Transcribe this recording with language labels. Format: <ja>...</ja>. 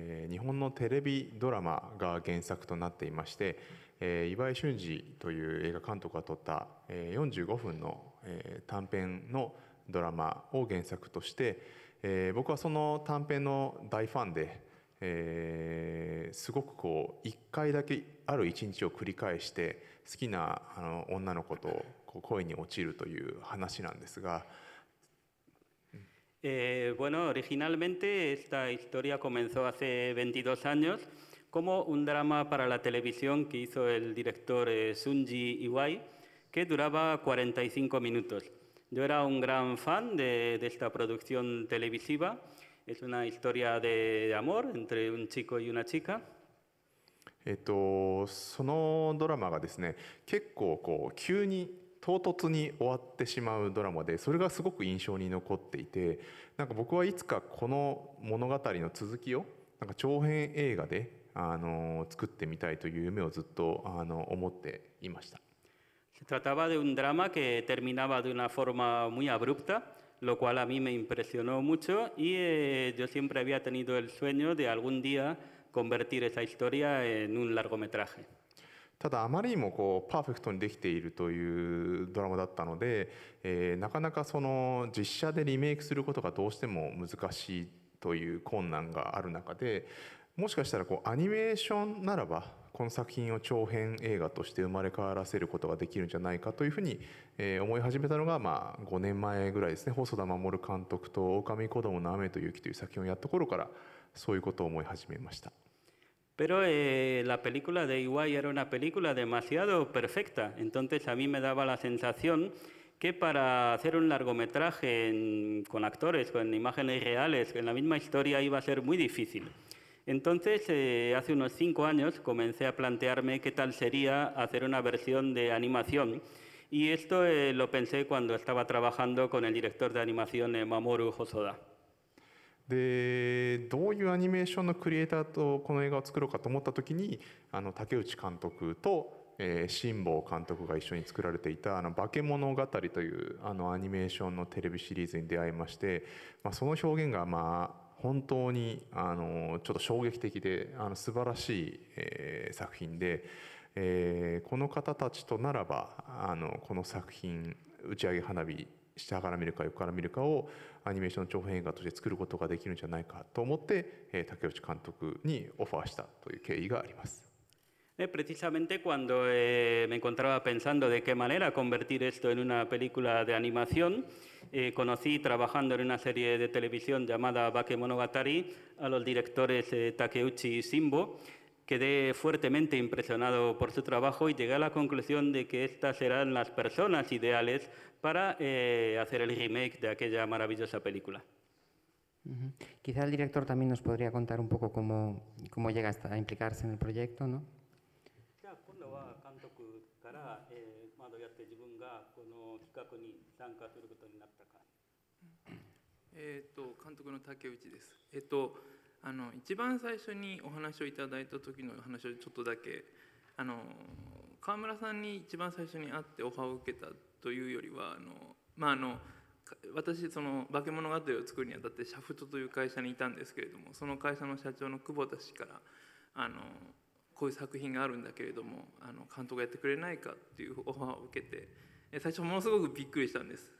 <ja>日本のテレビドラマが原作となっていまして、岩井俊二という映画監督が撮った、45分の、短編のドラマを原作として、僕はその短編の大ファンで、すごくこう一回だけある一日を繰り返して好きなあの女の子とこう恋に落ちるという話なんですが、</ja> <es>Bueno, originalmente esta historia comenzó hace 22 años como un drama para la televisión que hizo el director Sunji Iwai, que duraba 45 minutos. Yo era un gran fan de esta producción televisiva. Es una historia de amor entre un chico y una chica.</es> <ja>そのドラマがですね、結構こう急に唐突に終わってしまうドラマで、それがすごく印象に残っていて、なんか僕はいつかこの物語の続きをなんか長編映画で作ってみたいという夢をずっと思っていました。</ja> <es>Se trataba de un drama que terminaba de una forma muy abrupta, lo cual a mí me impresionó mucho y yo siempre había tenido el sueño de algún día convertir esa historia en un largometraje.</es> <ja>ただあまりにもこうパーフェクトにできているというドラマだったので、なかなかその実写でリメイクすることがどうしても難しいという困難がある中で、もしかしたらこうアニメーションならばこの作品を長編映画として生まれ変わらせることができるんじゃないかというふうに、思い始めたのが、まあ、5年前ぐらいですね。細田守監督と狼子供の雨と雪という作品をやった頃からそういうことを思い始めました。</ja> <es>Pero la película de Iwai era una película demasiado perfecta. Entonces a mí me daba la sensación que para hacer un largometraje con actores, con imágenes reales, en la misma historia iba a ser muy difícil. Entonces hace unos 5 años comencé a plantearme qué tal sería hacer una versión de animación. Y esto lo pensé cuando estaba trabajando con el director de animación Mamoru Hosoda.</es> <ja>でどういうアニメーションのクリエイターとこの映画を作ろうかと思った時に、あの竹内監督と、辛坊監督が一緒に作られていた「あの化け物語」というあのアニメーションのテレビシリーズに出会いまして、まあ、その表現がまあ本当にあのちょっと衝撃的で、あの素晴らしい、作品で、この方たちとならばあのこの作品打ち上げ花火下から見るか横から見るかをアニメーションの長編映画として作ることができるんじゃないかと思って竹内監督にオファーしたという経緯があります。</ja> <es>Precisamente cuando me encontraba pensando de qué manera convertir esto en una película de animación conocí trabajando en una serie de televisión llamada Bakemonogatari a los directores Takeuchi y Shinbo. Quedé fuertemente impresionado por su trabajo y llegué a la conclusión de que estas eran las personas ideales para hacer el remake de aquella maravillosa película. Quizá el director también nos podría contar un poco cómo llega a implicarse en el proyecto, ¿no? Ya, cuando va a Kantoku, ¿cara? ¿Cuándo ya te llevan a con el equipo ni tanca sobre todo ni nada?</es> <ja>Kantoku no Takeuchi des. あの一番最初にお話をいただいた時の話をちょっとだけ、あの川村さんに一番最初に会ってオファーを受けたというよりは、あの、まあ、あの私その化け物語を作るにあたってシャフトという会社にいたんですけれども、その会社の社長の久保田氏からあのこういう作品があるんだけれども、あの監督がやってくれないかっていうオファーを受けて、最初ものすごくびっくりしたんです。</ja>